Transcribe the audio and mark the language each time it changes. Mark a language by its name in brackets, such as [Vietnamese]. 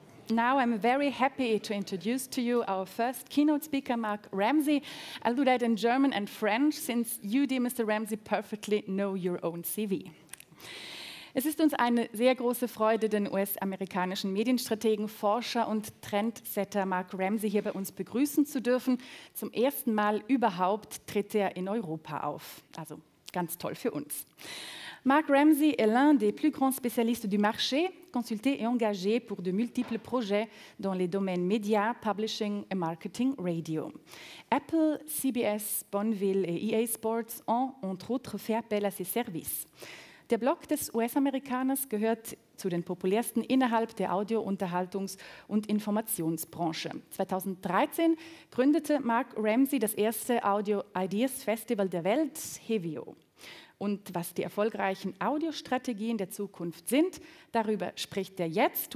[English] now I'm very happy to introduce to you our first keynote speaker, Mark Ramsey. I'll do that in German and French, since you, dear Mr. Ramsey, perfectly know your own CV. [German] Es ist uns eine sehr große Freude, den US-amerikanischen Medienstrategen, Forscher und Trendsetter Mark Ramsey hier bei uns begrüßen zu dürfen. Zum ersten Mal überhaupt tritt er in Europa auf. Also ganz toll für uns. [French] Mark Ramsey est l'un des plus grands spécialistes du marché, consulté et engagé pour de multiples projets dans les domaines média, publishing et marketing radio. Apple, CBS, Bonneville et EA Sports ont, entre autres, fait appel à ses services. [German] Der Blog des US-Amerikaners gehört zu den populärsten innerhalb der Audio-, Unterhaltungs- und Informationsbranche. 2013 gründete Mark Ramsey das erste Audio-Ideas-Festival der Welt, Hevio. Und was die erfolgreichen Audio-Strategien der Zukunft sind, darüber spricht er jetzt.